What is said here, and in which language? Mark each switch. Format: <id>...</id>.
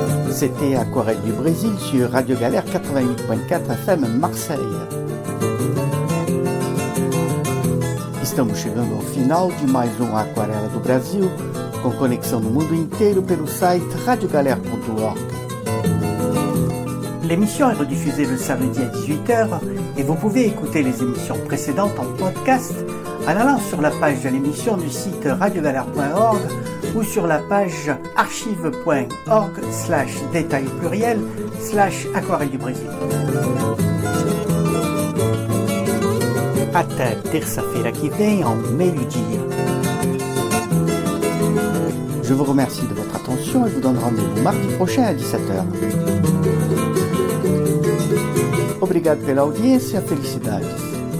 <fr>C'était Aquarelle du Brésil sur Radio Galère 88.4 FM Marseille.</fr> <pt>Estamos chegando ao final de mais um Aquarela do Brasil, com conexão no mundo inteiro pelo site radiogalère.org.</pt> <fr>L'émission est rediffusée le samedi à 18h et vous pouvez écouter les émissions précédentes en podcast en allant sur la page de l'émission du site radiogalère.org ou sur la page archive.org/détail/aquarelle du Brésil.</fr> <pt>Até terça-feira que vem en meio-dia.</pt> <fr>Je vous remercie de votre attention et vous donne rendez-vous mardi prochain à 17h.</fr> <pt>Obrigado pela audiência, felicidades.</pt>